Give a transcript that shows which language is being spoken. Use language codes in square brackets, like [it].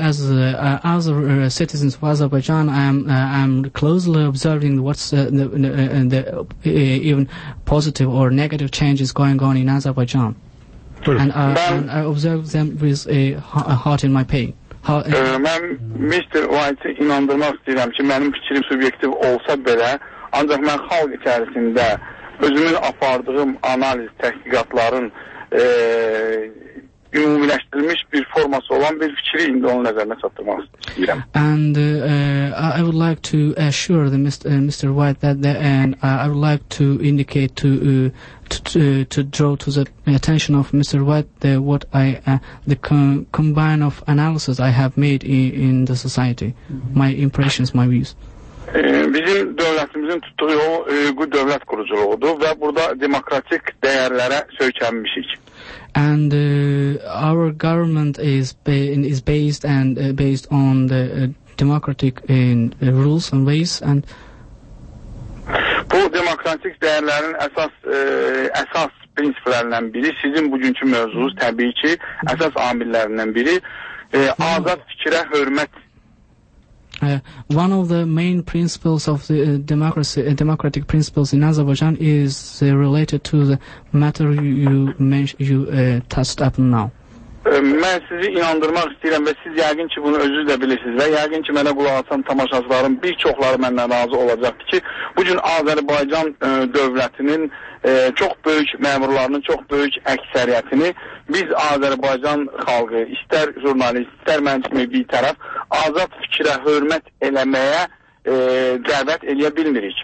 [en] As a citizens of Azerbaijan, I am closely observing what's even positive or negative changes going on in Azerbaijan, and I observe them with a heart in my pain. [az] Mən Mr. White-ı inandırmaq istəyirəm ki, mənim fikrim subyektiv olsa belə, ancaq mən xalq içərisində özümün apardığım analiz tədqiqatların ümumiləşdirilmiş bir forması olan bir fikri indi onun nəzərinə çatdırmaq istəyirəm. [en] And I would like to assure the Mr. White that I would like to indicate to draw to the attention of Mr. White the combine of analysis I have made in the society, my impressions, my views. [az] Bizim dövlətimizin tutduğu yol hüquqi dövlət quruculuğudur və burada demokratik dəyərlərə söykənmişik. [en] And our government is based on the democratic rules and ways, and [az] bu demokratik dəyərlərin əsas prinsiplərindən biri, sizin bugünkü mövzunuz təbii ki əsas amillərindən biri azad fikrə hörmət. [en] One of the main principles of the democratic principles in Azerbaijan is related to the matter you touched up now. [az] Mən sizi inandırmaq istəyirəm və siz yəqin ki bunu özünüz də bilirsiniz və yəqin ki mənə qulaq asan tamaşaçılarım bir çoxları mənlə razı olacaqdır ki, bu gün Azərbaycan dövlətinin çox böyük məmurlarının çox böyük əksəriyyətini biz Azərbaycan xalqı, istər jurnalist, istər mənimi bir tərəf azad fikrə hörmət eləməyə dəvət eləyə bilmirik.